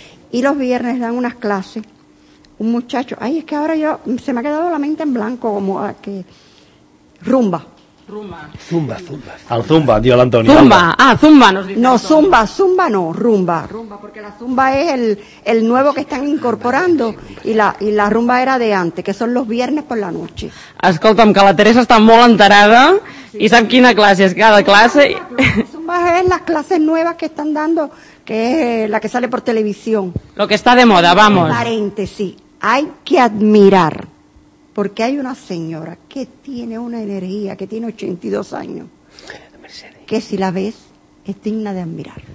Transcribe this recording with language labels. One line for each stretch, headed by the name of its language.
Spanish: Y los viernes dan unas clases, un muchacho, ay, es que ahora yo, se me ha quedado la mente en blanco, como a que, rumba. Zumba. Al zumba, dio el Antonio. Zumba, nos dice. No, Antonio. Zumba no, rumba. Rumba, porque la zumba es el nuevo que están incorporando y la rumba era de antes, que son los viernes por la noche.
Catalan: Escolta'm, que la Teresa està molt enterada sí. I sap quina classe és cada classe.
Spanish: Zumba es las clases nuevas que están dando, que es la que sale por televisión. Lo que está de moda, vamos. Aparente, sí. Hay que admirar. Porque hay una señora que tiene una energía, que tiene 82 años, Mercedes. Que si la ves, es digna de admirar.